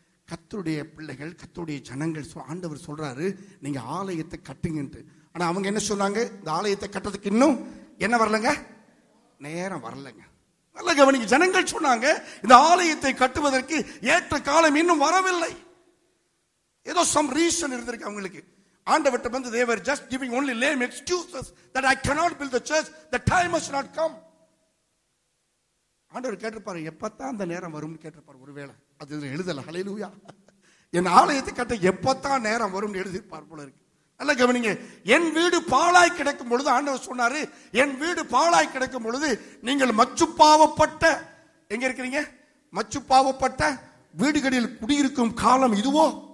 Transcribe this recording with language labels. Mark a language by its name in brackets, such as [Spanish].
[Tamil] கர்த்தருடைய பிள்ளைகள், கர்த்தருடைய ஜனங்கள், ஆண்டவர் சொல்றாரு, நீங்க ஆலயத்தை கட்டுங்கன்ட்டு. ஆனா அவங்க என்ன சொன்னாங்க? இந்த ஆலயத்தை கட்டுறதுக்கு இன்னும் என்ன வரலங்க, நேரம் வரலங்க. நல்லா கவனிங்க. ஜனங்கள் சொன்னாங்க, இந்த ஆலயத்தை கட்டுவதற்கு ஏற்ற காலம் இன்னும் வரவில்லை. ஏதோ [English] some reason [Tamil] இருந்திருக்கு அவங்களுக்கு. ஆண்டவர் வந்து [English] they were just giving only lame excuses that I cannot build the church, the time has not come. [Tamil] ஆண்டவர் கேட்டிருப்பாரு, எப்பத்தான் அந்த நேரம் வரும்னு கேட்டிருப்பாரு. ஒருவேளை குடியிருக்கும் காலம் இதுவோ?